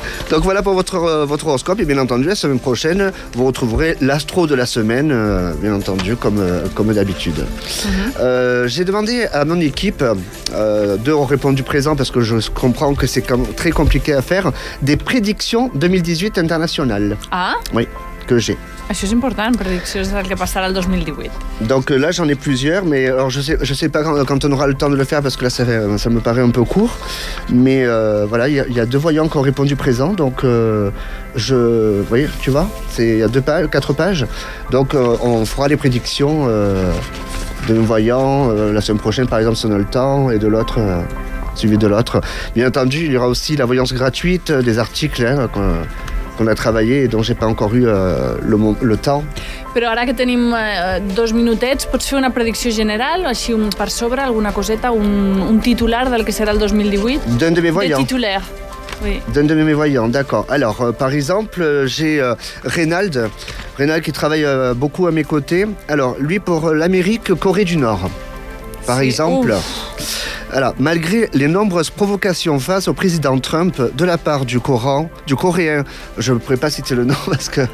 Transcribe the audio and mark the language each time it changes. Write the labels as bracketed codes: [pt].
[fr] Donc, voilà pour votre horoscope. Et bien entendu, la semaine prochaine, vous retrouverez l'astro de la semaine, bien entendu, comme d'habitude. Mm-hmm. J'ai demandé à mon équipe, deux ont répondu présent parce que je comprends que c'est très compliqué à faire, des prédictions 2018 internationales. Ah ? Oui, que j'ai. [ca] Això és important, prédictions del que passarà el 2018. [fr] Donc là, j'en ai plusieurs, mais alors je sais pas quand on aura le temps de le faire, parce que là, ça me paraît un peu court. Mais voilà, il y a deux voyants qui ont répondu présent, donc voyez, tu vois, il y a deux pages, quatre pages. Donc on fera les prédictions de nos voyants la semaine prochaine, par exemple, si on a le temps, et de l'autre, suivi de l'autre. Bien entendu, il y aura aussi la voyance gratuite, des articles, hein, qu'on a travaillé et dont j'ai pas encore eu le temps. [ca] Però ara que tenim dos minutets, pots fer una predicció general, així un per sobre, alguna coseta, un titular del que serà el 2018? [fr] D'un de mes voyants. De titulaire, oui. D'un de mes voyants, d'accord. Alors, par exemple, j'ai Reynald qui travaille beaucoup à mes côtés. Alors, lui pour l'Amérique, Corée du Nord, par c'est exemple. Ouf. Alors, malgré les nombreuses provocations face au président Trump de la part du Coréen, je ne pourrais pas citer le nom parce que